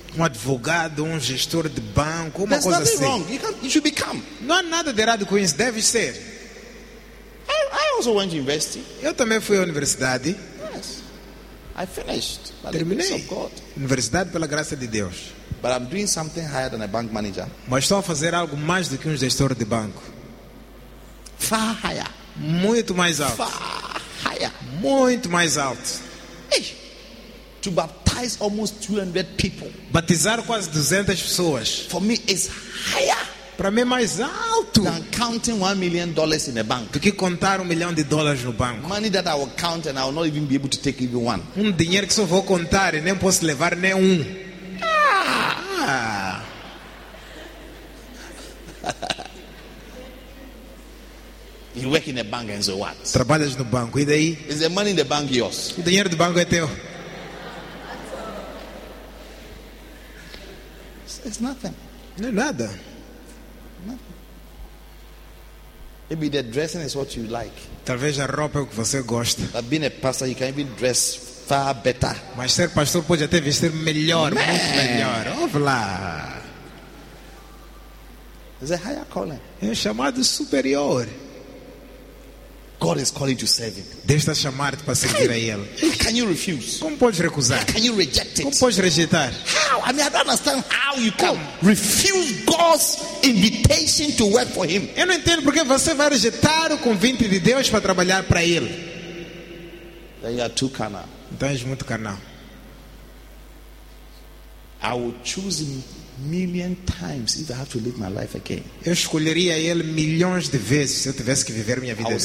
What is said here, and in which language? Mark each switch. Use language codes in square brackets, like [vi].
[pt] Um advogado, um gestor de banco, uma [en] There's [pt] coisa [en] nothing [pt] assim. [en] Wrong. You should become. [pt] Não há nada de errado com isso. Deve ser. [en] I also went to university. [pt] Eu também fui à universidade. [en] Yes. I finished. [pt] Terminei. [en] By the grace of God. [pt] Universidade pela graça de Deus. [en] But I'm doing something higher than a bank manager. [pt] Mas estou a fazer algo mais do que um gestor de banco. [en] Far higher. [pt] Muito mais alto. [en] Far higher. [pt] Muito mais alto. [en] To baptize almost 200 people. [pt] Batizar quase 200 pessoas. [en] For me is higher. [pt] Para mim é mais alto. [en] Than counting $1 million in a bank. [pt] Do que contar $1 million no banco. [en] Money that I will count and I will not even be able to take even one. [pt] Dinheiro que só vou contar e nem posso levar nem um. [en] You work in a bank and so what? [pt] Trabalhas no banco e daí? [en] Is the money in the bank yours? [pt] O dinheiro do banco é teu. [en] It's nothing. [pt] Não é nada. [en] Nothing. Maybe the dressing is what you like. [pt] Talvez a roupa é o que você gosta. [en] But being a pastor, you can even dress far better. [pt] Mas ser pastor pode até vestir melhor, [en] Man. [pt] Muito melhor. Ouve lá. [en] It's a higher calling. [pt] É chamado superior. [en] God is calling you to serve him. [pt] Deus está chamando para servir a ele. [en] How can you refuse? [pt] Como podes recusar? [en] How can you reject it? [pt] Como podes rejeitar? [en] How? I mean, I don't understand how you can refuse God's invitation to work for him. [pt] Eu não entendo porque você vai rejeitar o convite de Deus para trabalhar para ele. [en] Then you are too carnal. [pt] Então és muito carnal. [en] I would choose him million times if I have to live my life again. [pt] Eu escolheria ele milhões de vezes se eu tivesse que viver minha vida de novo.